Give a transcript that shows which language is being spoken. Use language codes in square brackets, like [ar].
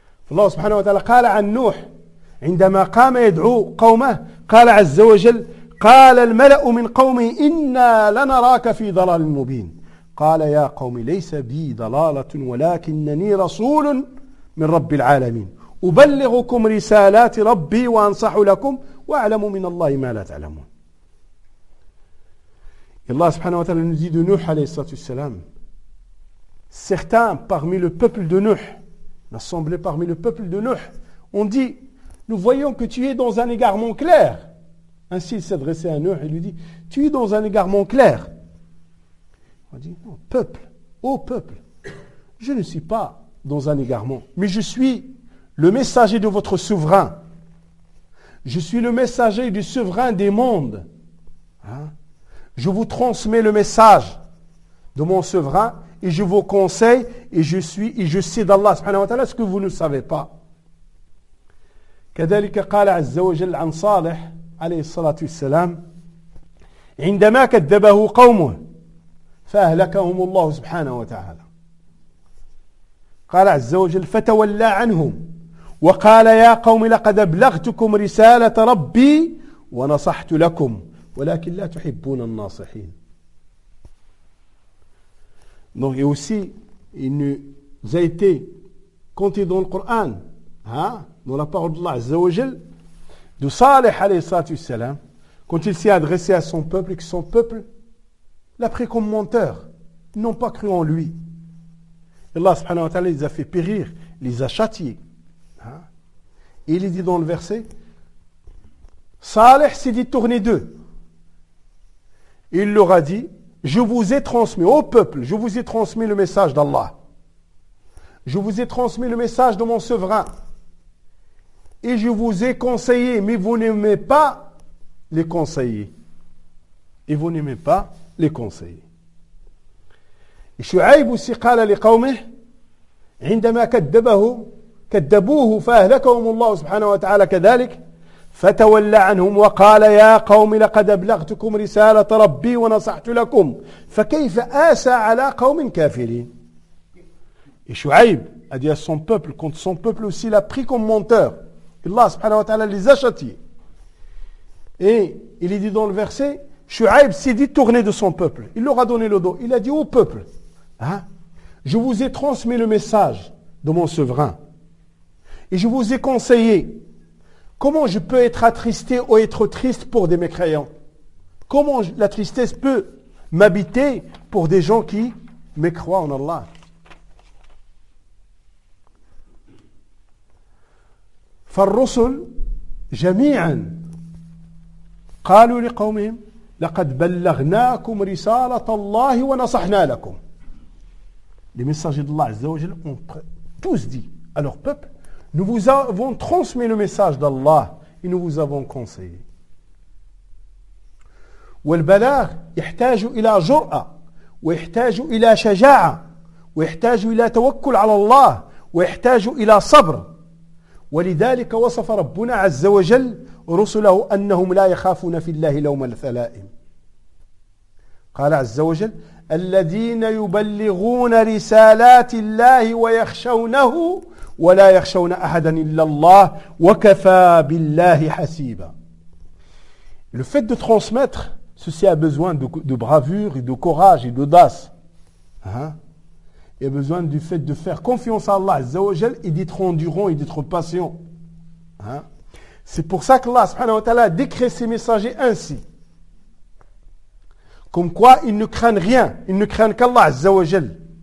[ar] Allah subhanahu wa ta'ala, قال عن نوح عندما قام يدعو قومه قال عز وجل قال الملأ من قومه إنا لنراك في ضلال مبين قال يا قوم ليس بي ضلالة ولكنني رسول من رب العالمين أبلغكم رسالات ربي وأنصح لكم وأعلم من الله ما لا تعلمون. الله سبحانه وتعالى نزي de Nuh عليه الصلاة والسلام. [fr] Certains parmi le peuple de Nuh, l'assemblée parmi le peuple de Nuh, ont dit, nous voyons que tu es dans un égarement clair. Ainsi il s'adressait à Nuh et lui dit, tu es dans un égarement clair. On dit, non, peuple, ô peuple, je ne suis pas dans un égarement, mais je suis le messager de votre souverain. Je suis le messager du souverain des mondes. Hein? Je vous transmets le message de mon souverain et je vous conseille et je suis et je sais d'Allah subhanahu wa ta'ala ce que vous ne savez pas. [ar] كذلك قال عز وجل عن صالح عليه الصلاة والسلام عندما كذبه قومه فأهلكهم الله سبحانه وتعالى قال عز وجل فتولى عنهم وقال يا قوم لقد أبلغتكم رسالة ربي ونصحت لكم ولكن لا تحبون الناصحين. [fr] Donc et aussi il nous a été compté dans le Coran, hein, dans la parole d'Allah Azza wa Jal, de Salih alayhi salatu wassalam, quand il s'est adressé à son peuple et que son peuple l'a pris comme menteur, ils n'ont pas cru en lui. Allah subhanahu wa ta'ala les a fait périr, les a châtiés. Et il dit dans le verset, Salih s'est détourné d'eux. Il leur a dit, je vous ai transmis, ô peuple, je vous ai transmis le message d'Allah. Je vous ai transmis le message de mon souverain. Et je vous ai conseillé, mais vous n'aimez pas les conseillers. Et vous n'aimez pas les conseillers. Et Shu'aib aussi a dit à les qawmés, [ar] عندما كذبه كذبوه فأهلكهم الله سبحانه وتعالى كذلك فتولى عنهم وقال يا قوم لقد أبلغتكم رسالة ربي ونصحت لكم فكيف آسى على قوم كافرين. [fr] Et Shu'aib a dit à son peuple, quand son peuple aussi l'a pris comme menteur, Allah subhanahu wa ta'ala les a châtiés. Et il est dit dans le verset, Shu'aib s'est dit tourné de son peuple, il leur a donné le dos, il a dit au peuple, hein, je vous ai transmis le message de mon souverain. Et je vous ai conseillé, comment je peux être attristé ou être triste pour des mécréants? Comment la tristesse peut m'habiter pour des gens qui mécroient en Allah? [ar] فالرسل جميعا قالوا لقومهم لقد بلغناكم رسالة الله ونصحنا لكم. [fr] Les messagers d'Allah Azza wa Jal ont tous dit à leur peuple, nous vous avons transmis le message d'Allah et nous vous avons conseillé. [ar] والبلاغ يحتاج إلى جرأة ويحتاج إلى شجاعة ويحتاج إلى توكل على الله ويحتاج إلى صبر ولذلك وصف ربنا عز وجل رسله أنهم لا يخافون في الله لوم الثلائم قال عز وجل الذين يبلغون رسالات الله ويخشونه ولا يخشون أحدا إلا الله وكفى بالله حسيبا [fr] Le fait de transmettre, ceci a besoin de bravure et de courage et d'audace. Il y a besoin du fait de faire confiance à Allah Azza wa Jal et d'être endurant et d'être patient. C'est pour ça qu'Allah subhanahu wa ta'ala a décrit ses messagers ainsi. Comme quoi ils ne craignent rien, ils ne craignent qu'Allah Azza wa Jal.